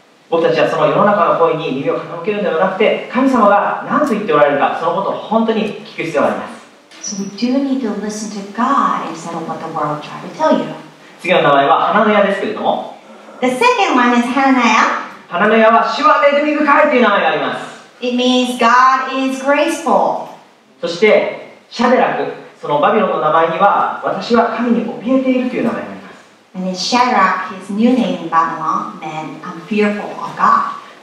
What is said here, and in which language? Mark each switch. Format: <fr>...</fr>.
<ja>僕たちはその世の中の声に耳を傾けるのではなくて神様が何と言っておられるかそのことを本当に聞く必要があります</ja> <en>So we do need to listen to God instead of what the world tries to tell you</en> <ja>次の名前は花の矢ですけれども</ja> <en>The second one is Hananaya</en> <ja>花の矢は主は恵み深いという名前があります</ja> <en>It means God is graceful</en> <ja>そしてシャデラクそのバビロンの名前には私は神に怯えているという名前があります</ja> <en>And in Shadrach, his new name in Babylon, meant I'm fearful of God.</en>